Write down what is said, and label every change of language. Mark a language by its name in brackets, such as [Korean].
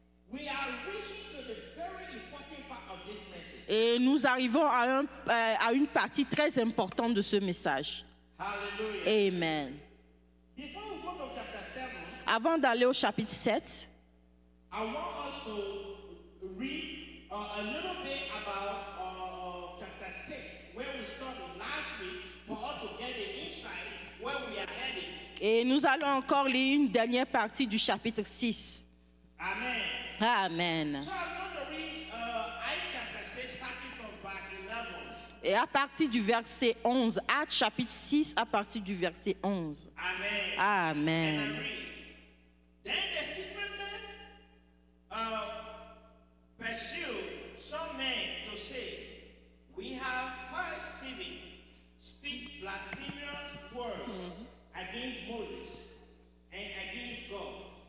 [English] We are reaching to the very important part of this message. [French] Et nous arrivons à, un, à une partie très importante de ce message. [English] Hallelujah. Amen. Before we go to chapter 7, [French] avant d'aller au chapitre 7, [English] I want us to read a little bit about chapter 6, where we started last week, for us to get an insight where we are heading. [French] Et nous allons encore lire une dernière partie du chapitre 6. [English] Amen. Amen. So I'm going to read Acte chapter 6, starting from verse 11. [French] Et à partir du verset 11, Acte chapitre 6, à partir du verset 11. [English] Amen. Amen. Then the shipmen pursued some men to say, we have heard Stephen speak blasphemous words against Moses and against God.